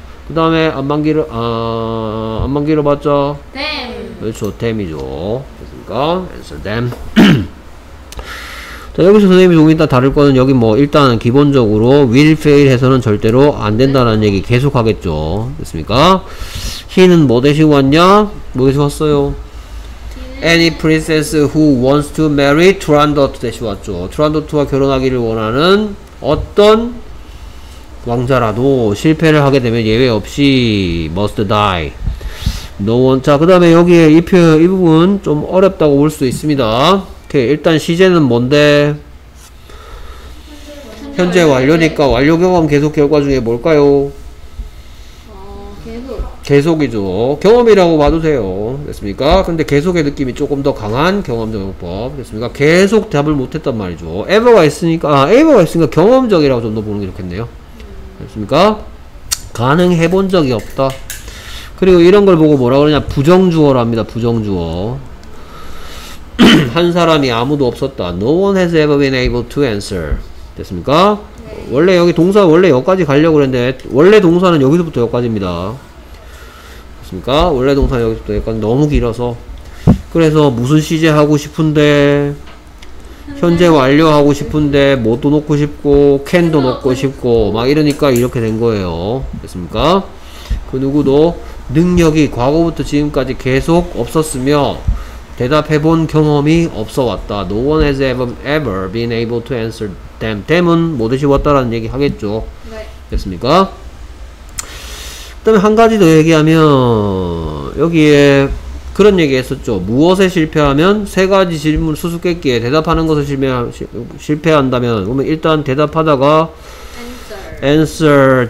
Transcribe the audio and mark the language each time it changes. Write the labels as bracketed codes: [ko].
[ko] 그 다음에 안만기로 봤죠? 그렇죠. them이죠. 됐습니까? [en] answer them. [ko] 자, 여기서 선생님이 조금 이따 다룰 거는 여기 뭐 일단 기본적으로 [en] will fail [ko] 해서는 절대로 안 된다는 얘기 계속 하겠죠. 됐습니까? he는 뭐 대신 왔냐? 뭐 대신 왔어요? [en] any princess who wants to marry Turandot [ko] 대신 왔죠. Turandot와 결혼하기를 원하는 어떤 왕자라도 실패를 하게 되면 예외 없이 [en] must die. No one. [ko] 자, 그 다음에 여기에 이 표, 이 부분 좀 어렵다고 볼 수 있습니다. 오케이. 일단 시제는 뭔데? 현재 완료니까 완료 경험 계속 결과 중에 뭘까요? 계속이죠. 경험이라고 봐주세요. 됐습니까? 근데 계속의 느낌이 조금 더 강한 경험적용법. 됐습니까? 계속 대답을 못했단 말이죠. ever가 있으니까, 경험적이라고 좀 더 보는 게 좋겠네요. 됐습니까? 가능해 본 적이 없다. 그리고 이런 걸 보고 뭐라 그러냐. 부정주어라 합니다. 부정주어. 한 사람이 아무도 없었다. [en] No one has ever been able to answer. [ko] 됐습니까? 네. 원래 여기 동사, 원래 여기까지 가려고 그랬는데, 원래 동사는 여기서부터 여기까지입니다. 됐습니까? 원래 동사는 여기서부터 여기까지. 너무 길어서. 그래서 무슨 시제 하고 싶은데, 현재 완료하고 싶은데, 뭐도 놓고 싶고, 캔도 놓고 싶고, 막 이러니까 이렇게 된 거예요. 됐습니까? 그 누구도 능력이 과거부터 지금까지 계속 없었으며, 대답해본 경험이 없어왔다. [en] No one has ever been able to answer them. [ko] them은 못 외쳐왔다라는 얘기 하겠죠. 네. 됐습니까? 그 다음에 한 가지 더 얘기하면, 여기에 그런 얘기 했었죠. 무엇에 실패하면 세 가지 질문 수수께끼에 대답하는 것을 실패한다면, 그러면 일단 대답하다가 [en] answer